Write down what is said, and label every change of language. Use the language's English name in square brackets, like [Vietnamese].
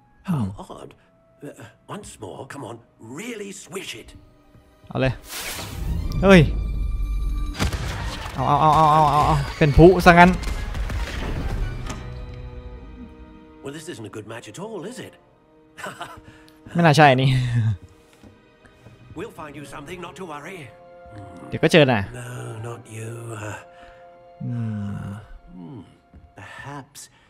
[English] How odd. Once more, come on, really swish it. [Thai] เอาเลยเฮ้ยเอาเป็นผู้ซะงั้น [English] Well this isn't a good match at all is it [Thai] ไม่น่าใช่นี่ [English] We'll find you something not to worry [Thai] เดี๋ยวก็เจอน่ะ [English] No not you perhaps